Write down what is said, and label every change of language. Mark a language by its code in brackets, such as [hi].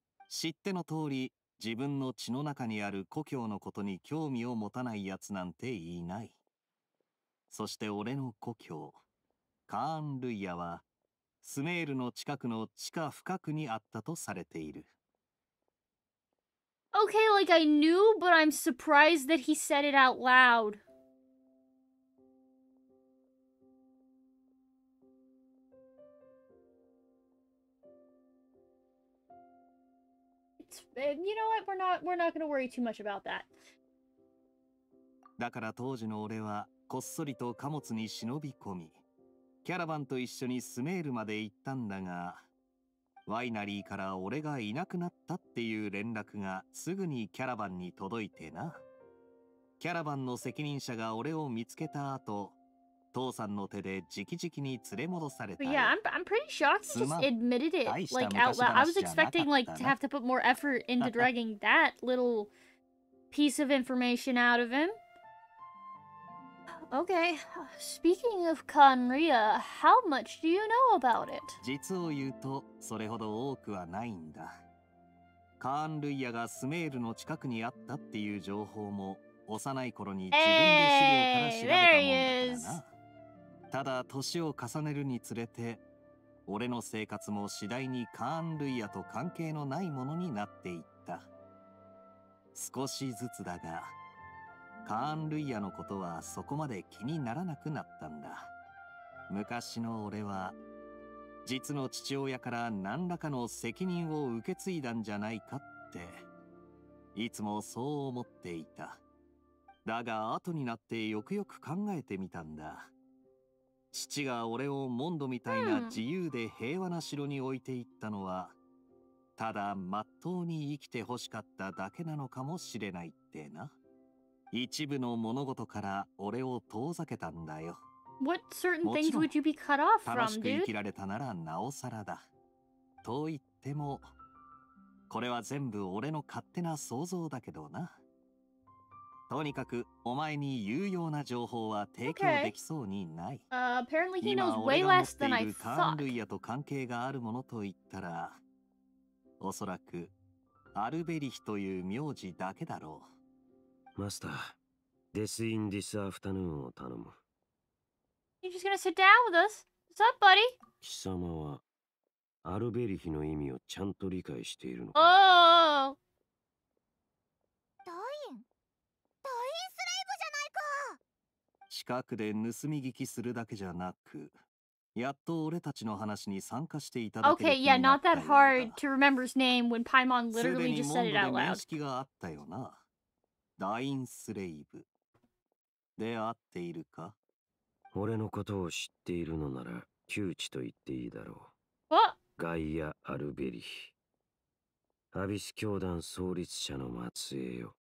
[ja] 知っての通り、自分の血の中にある故郷のことに興味を持たないやつなんていない。そして俺の故郷、カーンルイヤは、スメールの近くの地下深くにあったとされている。 [en] Okay, like I knew, but I'm surprised that he said it out loud. It's, you know what? We're not gonna worry too much about that. [ja] だから当時の俺はこっそりと貨物に忍び込み。キャラバンと一緒にスメールまで行ったんだが、ワイナリーから俺がいなくなったっていう連絡がすぐにキャラバンに届いてな。キャラバンの責任者が俺を見つけた後、父さんの手で直々に連れ戻されたよ。 [en] Yeah, I'm pretty shocked he just admitted it like out loud. I was expecting like to have to put more effort into dragging that little piece of information out of him. Okay, speaking of Kanria, how much do you know about it? [ja] 実を言うと、それほど多くはないんだ。カーンルイヤがスメールの近くにあったっていう情報も、幼い頃に自分で資料から調べたもんだからな。ただ、年を重ねるにつれて、俺の生活も次第にカーンルイヤと関係のないものになっていった。少しずつだが、カーンルイヤのことはそこまで気にならなくなったんだ。昔の俺は実の父親から何らかの責任を受け継いだんじゃないかっていつもそう思っていた。だが後になってよくよく考えてみたんだ。父が俺をモンドみたいな自由で平和な城に置いていったのは、ただ真っ当に生きてほしかっただけなのかもしれないってな。一部の物事から俺を遠ざけたんだよ。 [en] What certain things would you be cut off from, dude? [ja] 楽しく生きられたならなおさらだ。と言っても、これは全部俺の勝手な想像だけどな。とにかく、お前に有用な情報は提供できそうにない。 [en] Apparently he knows way less than I thought. [ja] 今俺が持っているカーンルイヤと関係があるものと言ったら、おそらくアルベリヒという名字だけだろう。マスター、デスインディスアフタヌーンを頼む。 [en] You're just gonna sit down with us? What's up, buddy? [ja] 貴様は、アルベリヒの意味をちゃんと理解しているのか? ダイン、ダインスレイブじゃないか! 近くで盗み聞きするだけじゃなく、やっと俺たちの話に参加していただける気になったようだ。 [en] Okay, yeah, not that hard to remember his name when Paimon literally just said it out loud. [ja] すでにモンドで面識があったよな。ダインスレイブで会っているか。俺のことを知っているのなら窮地と言っていいだろう。 [en] <What? S [ja] 2> ガイア・アルベリヒ、アビス教団創立者の末裔よ。